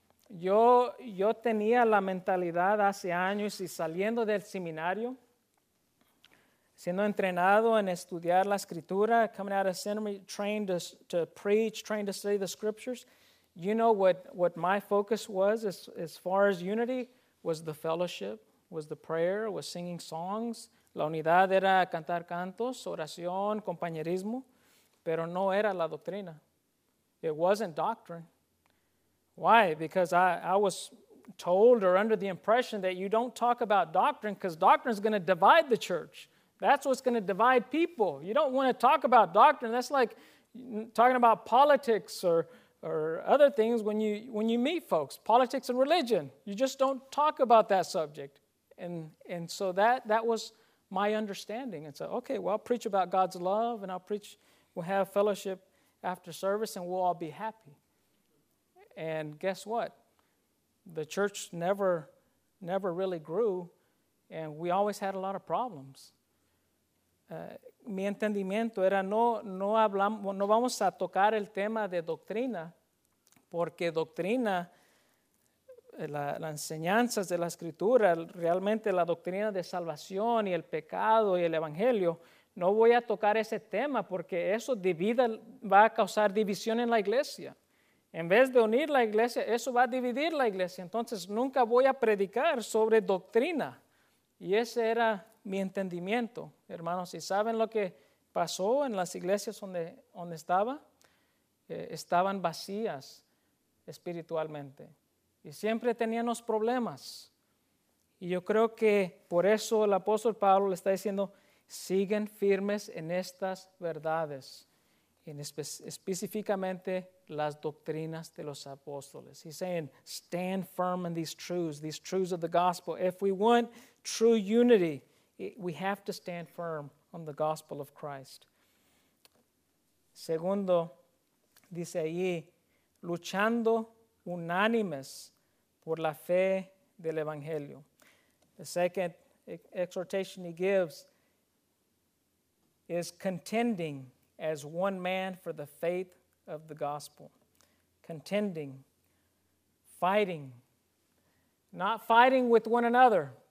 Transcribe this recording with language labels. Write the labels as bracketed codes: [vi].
[es] Yo tenía la mentalidad hace años y saliendo del seminario, siendo entrenado en estudiar la escritura, [en] coming out of seminary, trained to preach, trained to study the scriptures, you know what my focus was as far as unity was the fellowship, was the prayer, was singing songs. [es] La unidad era cantar cantos, oración, compañerismo, pero no era la doctrina. [en] It wasn't doctrine. Why? Because I was told or under the impression that you don't talk about doctrine because doctrine is going to divide the church. That's what's going to divide people. You don't want to talk about doctrine. That's like talking about politics or other things when you meet folks, politics and religion. You just don't talk about that subject. And so that was my understanding. And so, okay, well, I'll preach about God's love and I'll preach, we'll have fellowship after service and we'll all be happy. And guess what? The church never really grew and we always had a lot of problems. [es] Mi entendimiento era no vamos a tocar el tema de doctrina porque doctrina, la enseñanzas de la escritura, realmente la doctrina de salvación y el pecado y el evangelio, no voy a tocar ese tema porque eso va a causar división en la iglesia. En vez de unir la iglesia, eso va a dividir la iglesia. Entonces nunca voy a predicar sobre doctrina. Y ese era mi entendimiento, hermanos. ¿Y saben lo que pasó en las iglesias donde estaba? Estaban vacías espiritualmente. Y siempre tenían los problemas. Y yo creo que por eso el apóstol Pablo le está diciendo, siguen firmes en estas verdades. Específicamente las doctrinas de los apóstoles. [en] He's saying, stand firm in these truths of the gospel. If we want true unity, we have to stand firm on the gospel of Christ. [es] Segundo, dice allí, luchando unánimes por la fe del evangelio. [en] The second exhortation he gives is contending as one man for the faith of the gospel. Contending, fighting, not fighting with one another.